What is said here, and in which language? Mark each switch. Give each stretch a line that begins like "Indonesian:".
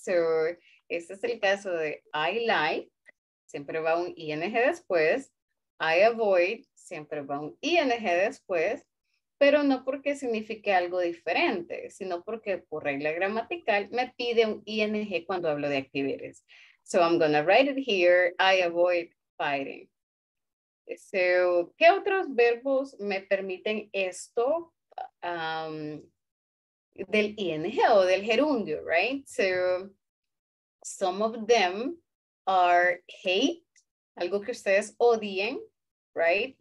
Spanish: So este es el caso de I like. Siempre va un ing después. I avoid. Siempre va un ing después. Pero no porque signifique algo diferente, sino porque por regla gramatical me pide un ing cuando hablo de actividades.
English: So I'm going to write it here, I avoid fighting.
Spanish: So, ¿qué otros verbos me permiten esto del ing o del gerundio, right?
English: So, some of them are hate,
Spanish: algo que ustedes odien,
English: right?